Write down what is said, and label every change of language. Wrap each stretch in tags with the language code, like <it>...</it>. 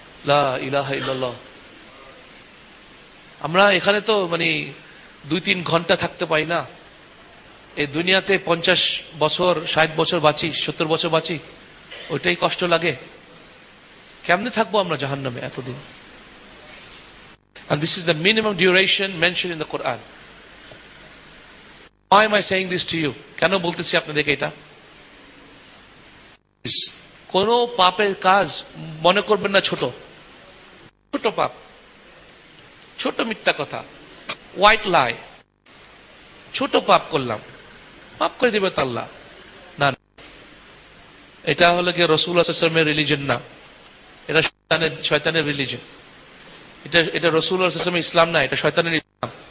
<bn>লা ইলাহা ইল্লাল্লাহ, আমরা এখানে তো মানে 2-3 ঘন্টা থাকতে পাই না, এই দুনিয়াতে 50 বছর 60 বছর বাঁচি, 70 বছর বাঁচি, ওইটাই কষ্ট লাগে, কেমনে থাকবো আমরা জাহান্নামে এতদিন?</bn> <en>And this is the minimum duration mentioned in the Quran. Why am I saying this to you?</en> <bn>কেন বলতেছি আপনাদেরকে এটা? কোনো পাপের কাজ মনে করবেন না ছোট, ছোট পাপ, ছোট মিথ্যা কথা, হোয়াইট লাই, ছোট পাপ করলাম, পাপ করে দিবে তো আল্লাহ, না এটা হলো কি রাসূলুল্লাহ সাল্লাল্লাহু আলাইহি ওয়াসাল্লামের রিলিজন না, এটা শয়তানের রিলিজন, এটা এটা রাসূলুল্লাহ সাল্লাল্লাহু আলাইহি ওয়াসাল্লাম না, এটা শয়তানের ইসলাম।</bn>